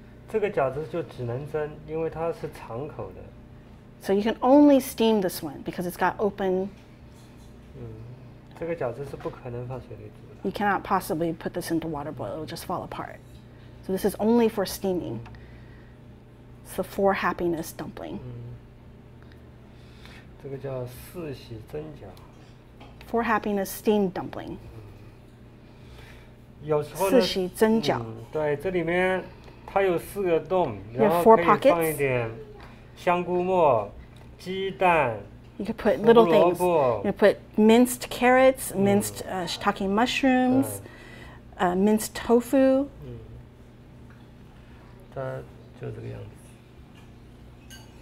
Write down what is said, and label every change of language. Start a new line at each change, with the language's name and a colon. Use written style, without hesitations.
English: So you can only steam this one because it's got open.
Chinese: 这个饺子是不可能放水里煮的。You
English: cannot possibly put this into water boil, it will just fall apart. So this is only for steaming. It's the four happiness dumpling.
Chinese: 这个叫四喜蒸饺。Four
English: happiness steamed dumpling.
Chinese: 有时候呢，四喜蒸饺。对，这里面。它有四个洞，然后可以放一点香菇末，鸡蛋。You
English: have four pockets.
Chinese: 香菇末，鸡蛋。You
English: You put minced carrots, minced shiitake mushrooms, minced tofu.
Chinese: 它就这个样子。